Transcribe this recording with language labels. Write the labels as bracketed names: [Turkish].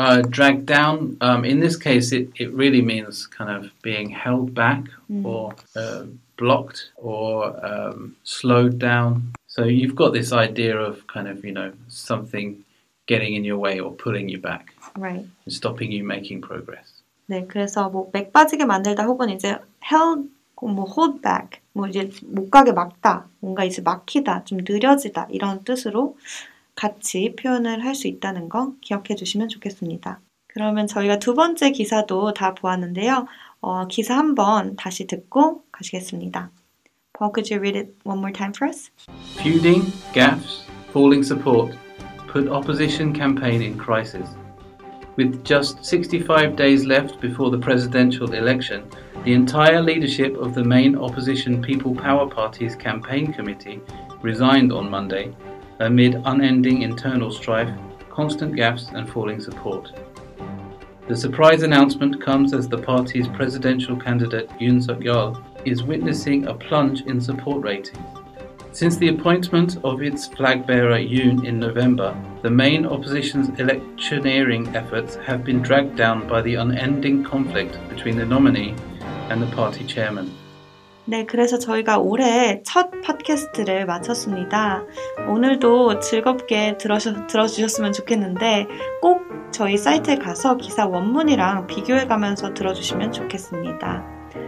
[English] Drag down, in this case, it really means kind of being held back or blocked or slowed down. So you've got this idea of kind of, you know, something getting in your way or pulling you back. Right. And stopping you making progress. [Korean] 네, 그래서 뭐 맥 빠지게 만들다 혹은 이제 held 뭐 [English] hold back [Korean] 뭐 이제 못 가게 막다 뭔가 이제 막히다 좀 느려지다 이런 뜻으로 같이 표현을 할 수 있다는 거 기억해 주시면 좋겠습니다. 그러면 저희가 두 번째 기사도 다 보았는데요. 기사 한번 다시 듣고 가시겠습니다. [English] Paul, could you read it one more time for us? Feuding, gaffes, falling support put opposition campaign in crisis. With just 65 days left before the presidential election, the entire leadership of the main opposition People Power Party's campaign committee resigned on Monday amid unending internal strife, constant gaffes and falling support. The surprise announcement comes as the party's presidential candidate Yoon Suk-yeol is witnessing a plunge in support ratings. Since the appointment of its flag bearer Yoon in November, the main opposition's electioneering efforts have been dragged down by the unending conflict between the nominee and the party chairman. [Korean] 네, 그래서 저희가 올해 첫 팟캐스트를 마쳤습니다. 오늘도 즐겁게 들어주셨으면 좋겠는데 꼭 저희 사이트에 가서 기사 원문이랑 비교해가면서 들어주시면 좋겠습니다.